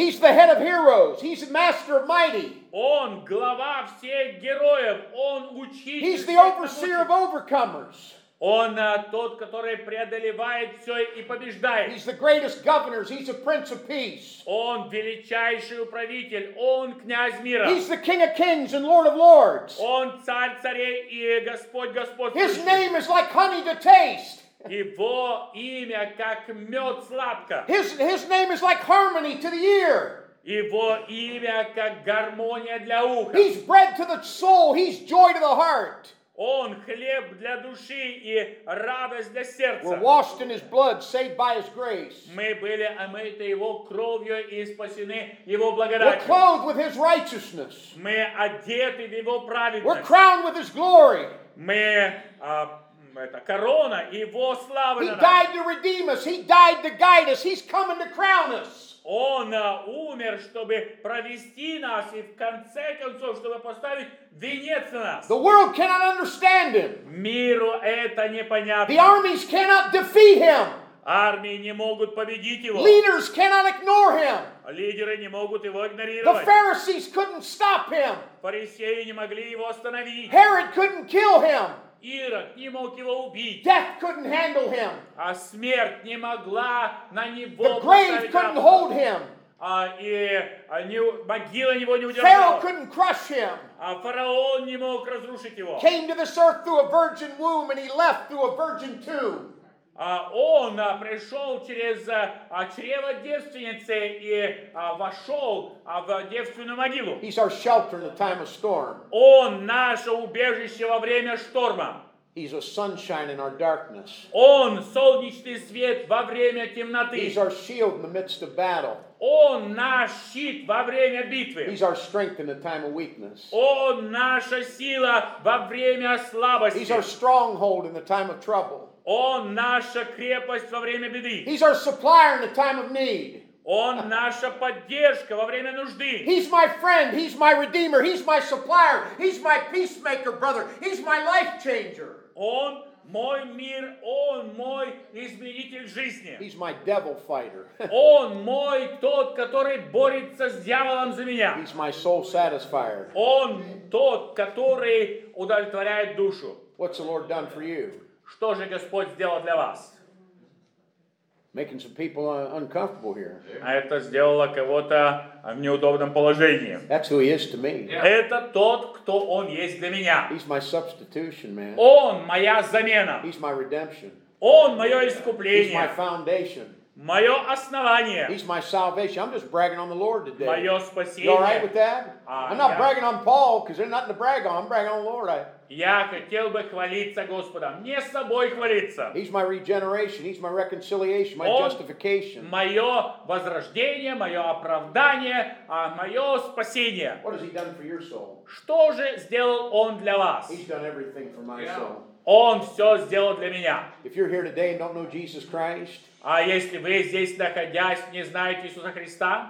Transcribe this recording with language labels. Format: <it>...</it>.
<en>He's the head of heroes. He's the master of mighty.</en> <ru>Он глава всех героев. Он учитель.</ru> <en>He's the overseer of overcomers.</en> <ru>Он тот, который преодолевает все и побеждает.</ru> <en>He's the greatest governor. He's a prince of peace.</en> <ru>Он величайший управитель. Он князь мира.</ru> <en>He's the king of kings and lord of lords.</en> <ru>Он царь царей и Господь Господь.</ru> <en>His name is like honey to taste.</en> <ru>Его имя как мед сладко.</ru> <en>His name is like harmony to the ear.</en> <ru>Его имя как гармония для уха.</ru> <en>He's bread to the soul. He's joy to the heart.</en> <ru>Он хлеб для души и радость для сердца.</ru> <en>We're washed in his blood, saved by his grace.</en> <ru>Мы были омыты его кровью и спасены его благодатью.</ru> <en>We're clothed with his righteousness.</en> <ru>Мы одеты в его праведность.</ru> <en>We're crowned with his glory.</en> <ru>Мы это корона его славы.</ru> <en>He died to redeem us. He died to guide us. He's coming to crown us.</en> <ru>Он умер, чтобы провести нас и в конце концов, чтобы поставить венец на нас.</ru> <en>The world cannot understand him.</en> <ru>Миру это непонятно.</ru> <en>The armies cannot defeat him.</en> <ru>Армии не могут победить его.</ru> <en>Leaders cannot ignore him.</en> <ru>Лидеры не могут его игнорировать.</ru> <en>The Pharisees couldn't stop him.</en> <ru>Фарисеи не могли его остановить.</ru> <en>Herod couldn't kill him.</en> <ru>Ирод не мог его убить.</ru> <en>Death couldn't handle him.</en> <ru>А смерть не могла на него.</ru> <en>The grave couldn't hold him.</en> <ru>Могила его не удержала.</ru> <en>Pharaoh couldn't crush him.</en> <ru>А фараон не мог разрушить его.</ru> <en>Came to this earth through a virgin womb and he left through a virgin tomb.</en> <ru>Он пришел через чрево девственницы и вошел в девственную могилу.</ru> <en>He's our shelter in the time of storm.</en> <ru>Он наше убежище во время шторма.</ru> <en>He's a sunshine in our darkness.</en> <ru>Он солнечный свет во время темноты.</ru> <en>He's our shield in the midst of battle.</en> <ru>Он наш щит во время битвы.</ru> <en>He's our strength in the time of weakness.</en> <ru>Он наша сила во время слабости.</ru> <en>He's our stronghold in the time of trouble.</en> <ru>Он наша крепость во время беды.</ru> <en>He's our supplier in the time of need.</en> <ru>Он наша поддержка во время нужды.</ru> <en>He's my friend, he's my redeemer, he's my supplier, he's my peacemaker, brother, he's my life changer.</en> <ru>Он мой мир, он мой изменитель жизни.</ru> <en>He's my devil fighter.</en> <ru>Он мой тот, который борется с дьяволом за меня.</ru> <en>He's my soul satisfier.</en> <ru>Он тот, который удовлетворяет душу.</ru> <en>What's the Lord done for you?</en> <ru>Что же Господь сделал для вас?</ru> <en>Making some people uncomfortable here.</en> <ru>А это сделало кого-то в неудобном положении.</ru> <en>That's who he is to me.</en> <ru>Это тот, кто он есть для меня.</ru> <en>He's my substitution, man.</en> <ru>Он моя замена.</ru> <en>He's my redemption.</en> <ru>Он мое искупление.</ru> <en>He's my foundation.</en> <ru>Мое основание.</ru> <en>He's my salvation. I'm just bragging on the Lord today.</en> <ru>Мое спасение.</ru> <en>You all right with that? I'm not bragging on Paul because there's nothing to brag on. I'm bragging on the Lord.</en> <ru>Я хотел бы хвалиться Господом, не собой хвалиться.</ru> <en>He's my regeneration, he's my reconciliation, my justification.</en> <ru>Он мое возрождение, мое оправдание, мое спасение.</ru> <en>What has he done for your soul?</en> <ru>Что же сделал он для вас?</ru> <en>He's done everything for my soul.</en> <ru>Он все сделал для меня.</ru> <en>If you're here today and don't know Jesus Christ,</en> <ru>а если вы здесь находясь не знаете Иисуса Христа,</ru>